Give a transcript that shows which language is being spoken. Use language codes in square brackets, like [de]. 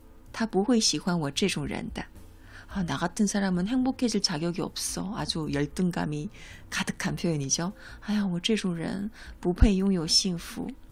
[zh] 他不会喜欢我这种人的. [ko] 나 같은 사람은 행복해질 자격이 없어. 아주 열등감이 가득한 표현이죠. [zh] 아야, 我这种人不配拥有幸福.